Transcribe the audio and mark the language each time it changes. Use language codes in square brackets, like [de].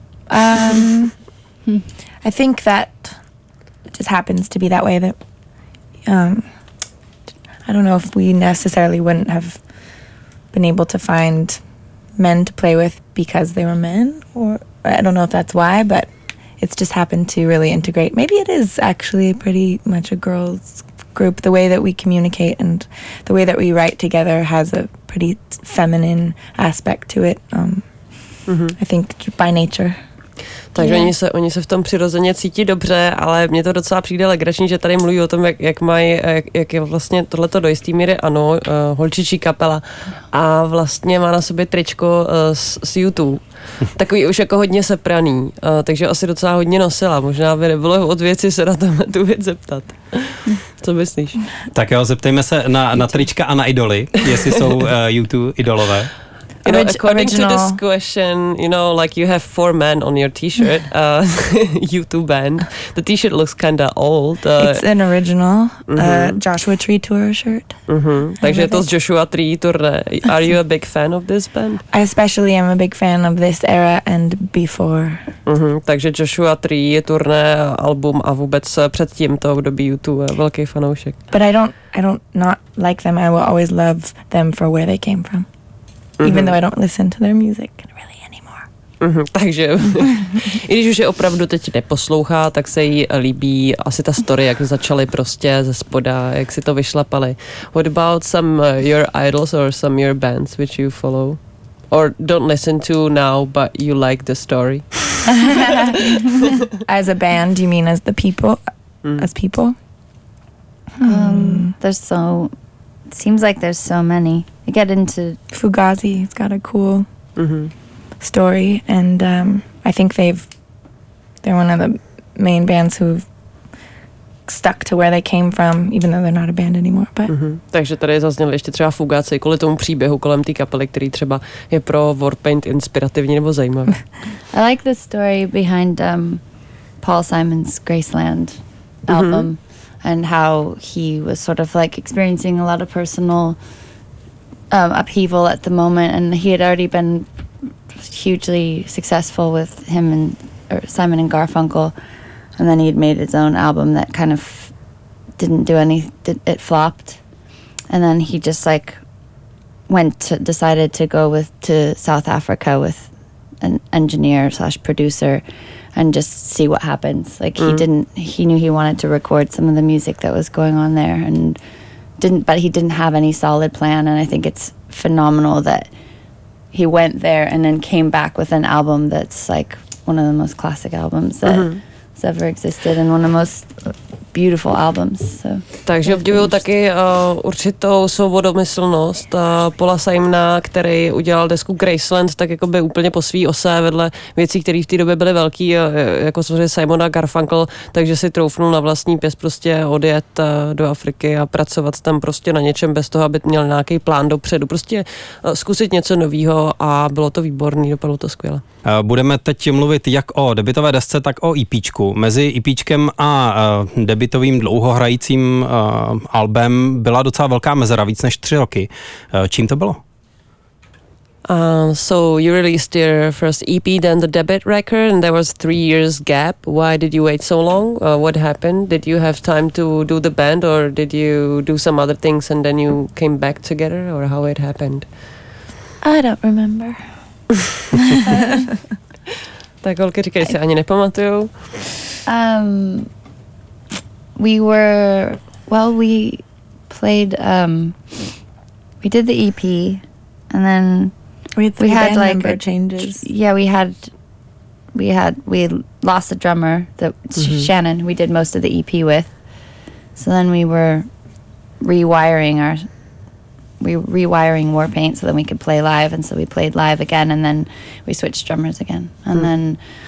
[en] I think that just happens to be that way, that I don't know if we necessarily wouldn't have been able to find men to play with because they were men, or I don't know if that's why, but it's just happened to really integrate. Maybe it is actually pretty much a girls group. The way that we communicate and the way that we write together has a pretty feminine aspect to it, mm-hmm. I think by nature. [cs] Takže oni se v tom přirozeně cítí dobře, ale mně to docela přijde legrační, že tady mluví o tom, jak je vlastně tohleto do jistý míry ano, holčičí kapela, a vlastně má na sobě tričko s YouTube. Takový už jako hodně sepraný, takže asi docela hodně nosila. Možná by nebylo od věci se na tohle tu věc zeptat. Co myslíš? Tak jo, zeptejme se na trička a na idoly, jestli jsou YouTube idolové. [en] You know, according to this question, you know, like you have four men on your t-shirt, YouTube band. The t-shirt looks kind of old. It's an original Joshua Tree tour shirt. Mm-hmm. [cs] Takže je to z Joshua Tree tour. [en] Are you a big fan of this band? I especially am a big fan of this era and before. Mm-hmm. [cs] Takže Joshua Tree je turné, album a vůbec předtím to období YouTube, velký fanoušek. [en] But I don't not like them. I will always love them for where they came from. Mm-hmm. Even though I don't listen to their music really anymore. [cs] Takže, i když už je opravdu teď neposlouchá, tak se jí líbí asi ta story, jak začaly prostě ze spoda, jak si to vyšlapali. [en] What about some your idols or some your bands which you follow? Or don't listen to now, but you like the story? As a band, you mean as the people? Mm. As people? There's so... Seems like there's so many. I get into... Fugazi, it's got a cool... Mm-hmm. story, and I think they're one of the main bands who've stuck to where they came from, even though they're not a band anymore, but... Mm-hmm. [cs] Takže tady zazněl ještě třeba Fugace kvůli tomu příběhu kolem té kapely, který třeba je pro Warpaint inspirativní nebo zajímavý. [en] I like the story behind Paul Simon's Graceland album, mm-hmm. and how he was sort of like experiencing a lot of personal upheaval at the moment, and he had already been hugely successful with him and Simon and Garfunkel, and then he'd made his own album that kind of didn't do any, it flopped, and then he just like decided to go to South Africa with an engineer / producer and just see what happens, like mm-hmm. he knew he wanted to record some of the music that was going on there and didn't, but he didn't have any solid plan, and I think it's phenomenal that he went there and then came back with an album that's like one of the most classic albums that mm-hmm. has ever existed and one of the most beautiful albums. So, [cs] takže obdivuju taky určitou svobodomyslnost Paula Simona, který udělal desku Graceland tak jako by úplně po svý ose vedle věcí, které v té době byly velký, jako samozřejmě Simon a Garfunkel, takže si troufnul na vlastní pěs prostě odjet do Afriky a pracovat tam prostě na něčem bez toho, aby měl nějaký plán dopředu. Prostě zkusit něco novýho a bylo to výborný, dopadlo to skvěle. Budeme teď mluvit jak o debutové desce, tak o EPčku. Mezi EPčkem a debutovým dlouhohrajícím albem byla docela velká mezera, víc než 3 roky. Čím to bylo? [en] So you released your first EP, then the debut record, and there was 3 years gap. Why did you wait so long? What happened? Did you have time to do the band, or did you do some other things and then you came back together, or how it happened? I don't remember. [cs] Tak holky říkají, si ani nepamatuju. [en] We did the EP, and then we lost a drummer, the mm-hmm. Shannon, we did most of the EP with. So then we were rewiring Warpaint so then we could play live, and so we played live again, and then we switched drummers again, and then